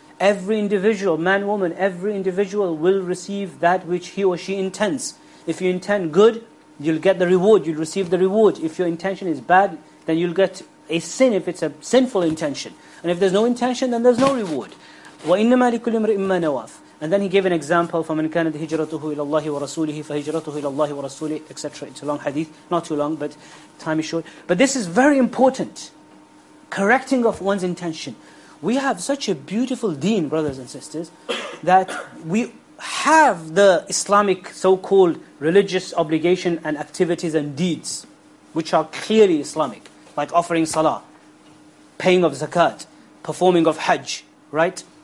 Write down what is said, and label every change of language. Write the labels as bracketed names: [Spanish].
[English] Every individual, man, woman, every individual will receive that which he or she intends. If you intend good, you'll get the reward, you'll receive the reward. If your intention is bad, then you'll get a sin if it's a sinful intention. And if there's no intention, then there's no reward. [Arabic] وَإِنَّمَا لِكُلِّ امْرِئٍ مَّا نَوَى. [English] And then he gave an example, [Arabic] فَمَنْ كَانَتْ هِجْرَتُهُ إِلَى اللَّهِ وَرَسُولِهِ فَهِجْرَتُهُ إِلَى اللَّهِ وَرَسُولِهِ, etc. [English] It's a long hadith, not too long, but time is short. But this is very important, correcting of one's intention. We have such a beautiful deen, brothers and sisters, that we have the Islamic so-called religious obligation and activities and deeds, which are clearly Islamic, like offering salah, paying of zakat, performing of hajj, right?